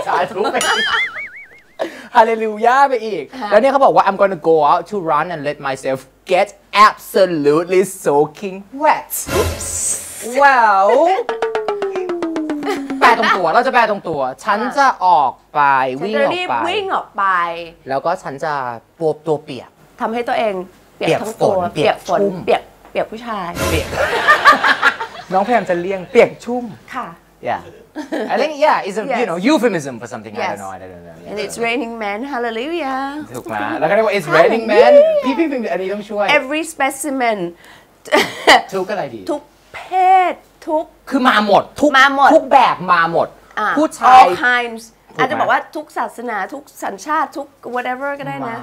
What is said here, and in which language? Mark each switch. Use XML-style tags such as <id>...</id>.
<th>สาธุฮาเลลูยาไปอีกแล้วเนี่ยเขาบอกว่า</th> <en>I'm gonna go out to run and let myself get absolutely soaking wet</en> <th>wowแปลตรงตัวเราจะแปลตรงตัวฉันจะออกไปวิ่งออกไป วิ่งออกไป แล้วก็ฉันจะปวบตัวเปียก ทำให้ตัวเองเปียกทั้งตัว เปียกฝน เปียกผู้ชาย เปียกน้องพยายามจะเลี่ยงเปียกชุ่ม ค่ะ</th> <en>yeah I think yeah is a you know euphemism for something I don't know and it's raining men hallelujah</en> <th>ถูกไหมแล้วก็เรียกว่า</th> <en>it's raining men</en> <th>พี่อันนี้ต้องช่วย</th> <en>every specimen</en> <th>ทุกอะไรดี ทุกเพศ คือมาหมดทุกแบบมาหมดผู้ชาย</th> <en>all kinds</en> <th>อาจจะบอกว่าทุกศาสนาทุกสัญชาติทุก whatever ก็ได้นะ</th>